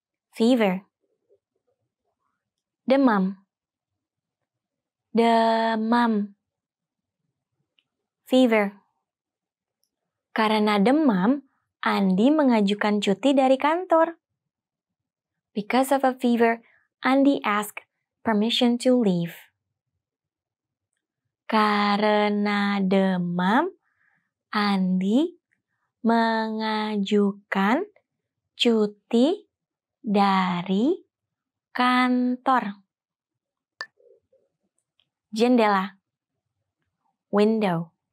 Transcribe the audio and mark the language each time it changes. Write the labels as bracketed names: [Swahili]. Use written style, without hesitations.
[English] Fever. [Indonesian] Demam. Demam. [English] Fever. [Indonesian] Karena demam, Andi mengajukan cuti dari kantor. [English] Because of a fever, Andi asked permission to leave. [Indonesian] Karena demam, Andi mengajukan cuti dari kantor. Jendela. Window.